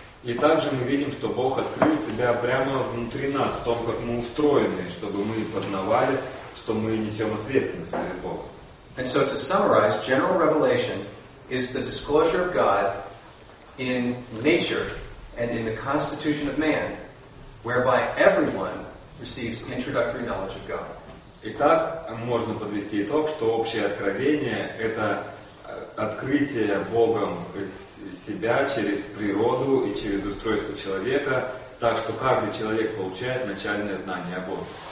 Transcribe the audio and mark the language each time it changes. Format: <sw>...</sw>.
<ru>И также мы видим, что Бог открыл себя прямо внутри нас, в том, как мы устроены, чтобы мы познавали, что мы несем ответственность перед Богом.</ru> <en>And so to summarize, general revelation is the disclosure of God in nature and in the constitution of man, whereby everyone receives introductory knowledge of God.</en> <ru>Итак, можно подвести итог, что общее откровение — это открытие Богом себя через природу и через устройство человека, так что каждый человек получает начальное знание о Боге.</ru>